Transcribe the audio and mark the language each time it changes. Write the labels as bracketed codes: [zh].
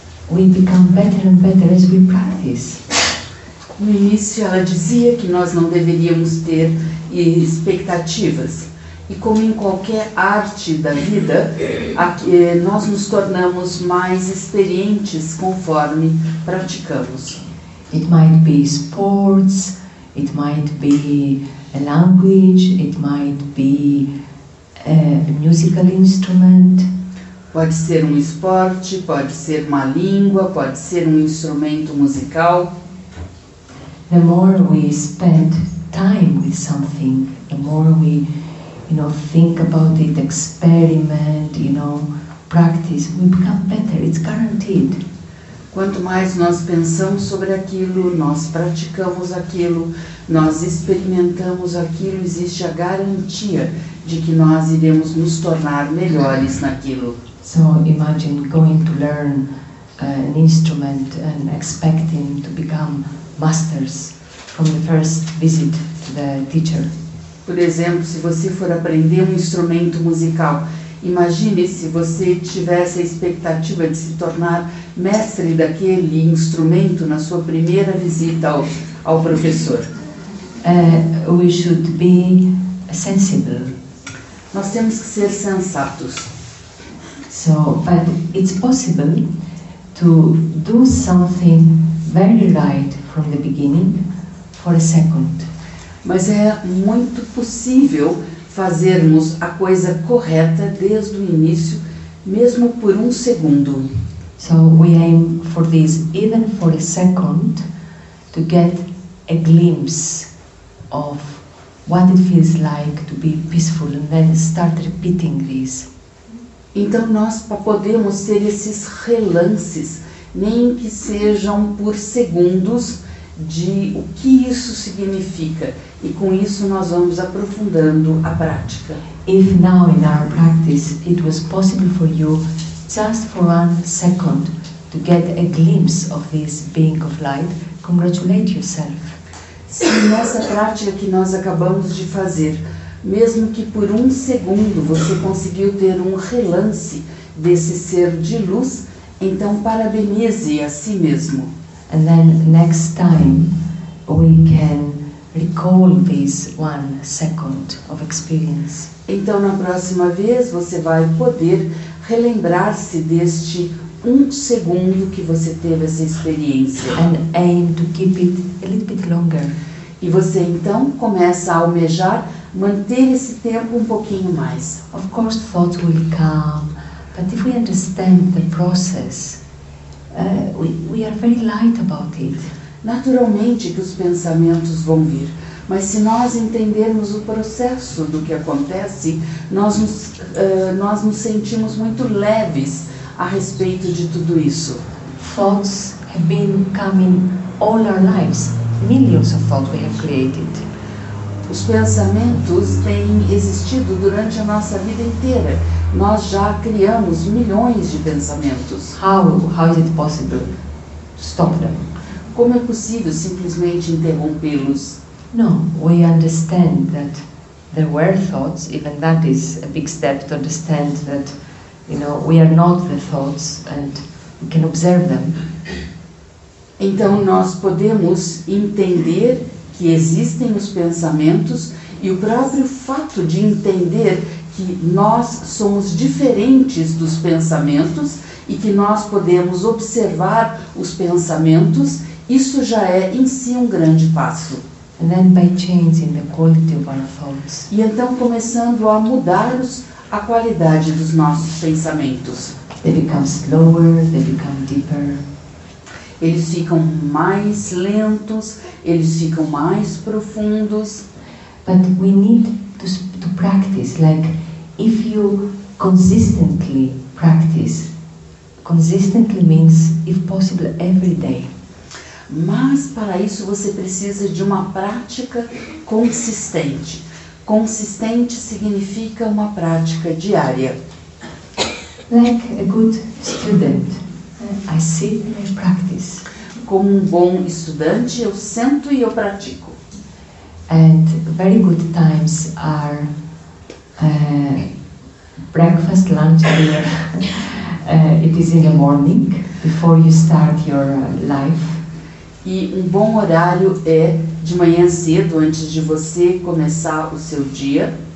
[en] We become better and better as we practice. [pt] No início, ela dizia que nós não deveríamos ter expectativas. E como em qualquer arte da vida, nós nos tornamos mais experientes conforme praticamos. [en] It might be sports, it might be a language, it might be a musical instrument. [pt] Pode ser um esporte, pode ser uma língua, pode ser um instrumento musical. [en] The more we spend time with something, the more we, you know, think about it, experiment, you know, practice, we become better. It's guaranteed. [pt] Quanto mais nós pensamos sobre aquilo, nós praticamos aquilo, nós experimentamos aquilo, existe a garantia de que nós iremos nos tornar melhores naquilo. [en] So imagine going to learn an instrument and expecting to become masters from the first visit to the teacher. [pt] Por exemplo, se você for aprender um instrumento musical, imagine se você tivesse a expectativa de se tornar mestre daquele instrumento na sua primeira visita ao professor. [en] We should be sensible. [pt] Nós temos que ser sensatos. [en] So, but it's possible to do something very right from the beginning for a second. [pt] Mas é muito possível fazermos a coisa correta desde o início, mesmo por um segundo. [en] So we aim for this, even for a second, to get a glimpse of what it feels like to be peaceful and then start repeating this. [pt] Então nós podemos ter esses relances, nem que sejam por segundos, de o que isso significa. E com isso nós vamos aprofundando a prática. [en] If now in our practice it was possible for you just for one second to get a glimpse of this being of light, congratulate yourself. [pt] Se nessa prática que nós acabamos de fazer, mesmo que por um segundo você conseguiu ter um relance desse ser de luz, então parabenize a si mesmo. [en] And then next time we can recall this one second of experience. [pt] Então na próxima vez você vai poder relembrar-se deste um segundo que você teve essa experiência. [en] And aim to keep it a little bit longer. [pt] E você então começa a almejar manter esse tempo um pouquinho mais. [en] Of course, thoughts will come, but if we understand the process, we are very light about it. [pt] Naturalmente que os pensamentos vão vir, mas se nós entendermos o processo do que acontece, nós nos sentimos muito leves a respeito de tudo isso. [en] Thoughts have been coming all our lives, millions of thoughts we have created. [pt] Os pensamentos têm existido durante a nossa vida inteira. Nós já criamos milhões de pensamentos. [en] How is it possible to stop them? [pt] Como é possível simplesmente interrompê-los? [en] No, we understand that there were thoughts. Even that is a big step to understand that, you know, we are not the thoughts and we can observe them. [pt] Então nós podemos entender que existem os pensamentos e o próprio fato de entender que nós somos diferentes dos pensamentos e que nós podemos observar os pensamentos, isso já é em si um grande passo. [en] And then by changing the quality of our thoughts. [pt] E então começando a mudar a qualidade dos nossos pensamentos. [en] They become slower, they become deeper. [pt] Eles ficam mais lentos, eles ficam mais profundos. [en] But we need to practice, like if you consistently practice, consistently means if possible every day. [pt] Mas para isso você precisa de uma prática consistente. Consistente significa uma prática diária. [en] Like a good student, I sit and I practice. [pt] Como um bom estudante, eu sento e eu pratico. [en] And very good times are breakfast, lunch, dinner. It is in the morning, before you start your life. [pt] E um bom horário é de manhã cedo, antes de você começar o seu dia.